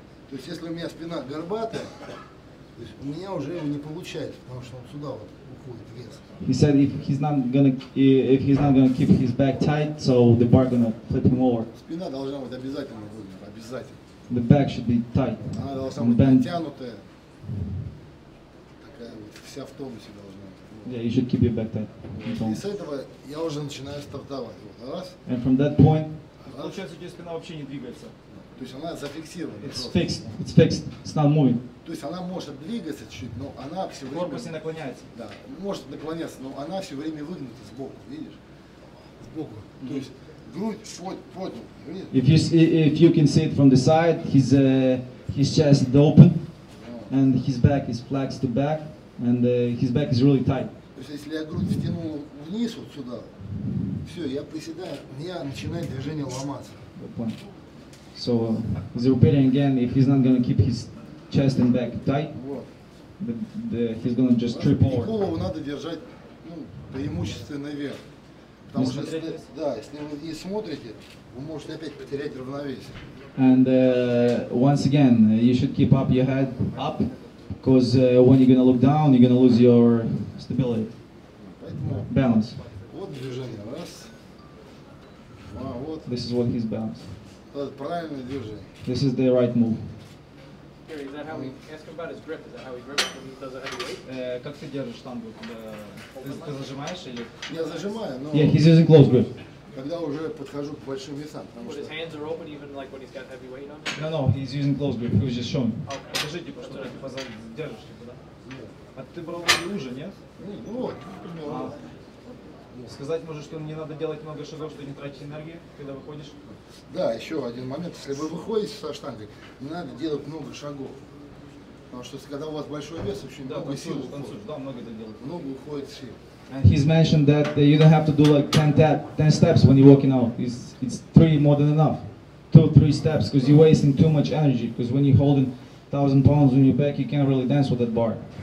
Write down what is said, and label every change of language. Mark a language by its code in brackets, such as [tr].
[ru] То есть если у меня спина горбатая, у меня уже не получается, потому что он сюда вот уходит вес. [en] He said if he's not gonna keep his back tight, so the bar gonna flip him over. [ru] Спина должна быть обязательно выгнута, обязательно. [en] The back should be tight. [ru] Она должна быть натянутая. Вся в тонусе должна. [en] Yeah, you should keep your back tight. [ru] И с этого я уже начинаю стартовать. Вот, раз. [en] And from that point. [ru] Раз. Получается, у тебя спина вообще не двигается. То есть она зафиксирована. [en] It's fixed. It's fixed. It's not moving. [ru] То есть она может двигаться чуть-чуть, но она все время. Корпус не наклоняется. Да. Может наклоняться, но она все время выгнута сбоку, видишь? Сбоку. Mm-hmm. То есть грудь против. [en] If you can see it from the side, his chest is open, and his back is flexed to back. And his back is really tight. [ru] То есть если я грудь втянул вниз вот сюда, все, я приседаю, у меня начинает движение ломаться. [en] Good point. So he's repeating again, if he's not gonna keep his chest and back tight, [ru] вот. [en] He's gonna just trip over. [ru] Голову надо держать, ну, преимущественно вверх. Потому что если вы не смотрите, вы можете опять потерять равновесие. [en] And once again, you should keep up your head up. Because when you're gonna look down, you're gonna lose your stability, balance. [ru] Вот движение, раз. А, вот. [en] This is what his balance. [ru] Это правильное движение. [en] This is the right move. Here, is that how he ask him about his grip? Is that how he grips when he does a heavy weight? [ru] Как ты держишь штангу? Ты зажимаешь или? Я зажимаю, но. [en] Yeah, he's using close grip. [ru] Когда уже подхожу к большим весам. [en] But his hands are open even like when he's got heavy weight on? No, he's using close grip. He was just showing. [ru] Покажи, типа, что ты типа держишь, типа, да? Нет. А ты брал не уже, нет? Ну вот, например. Сказать можешь, что не надо делать много шагов, чтобы не тратить энергии, когда выходишь? Да, еще один момент. Если вы выходите со штанги, не надо делать много шагов. Потому что когда у вас большой вес, очень много сил уходит. Да, много это делать. Много уходит сил. [en] And he's mentioned that you don't have to do like 10 steps when you're working out. It's three more than enough. Two, three steps, because you're wasting too much energy. Because when you're holding 1,000 pounds on your back, you can't really dance with that bar.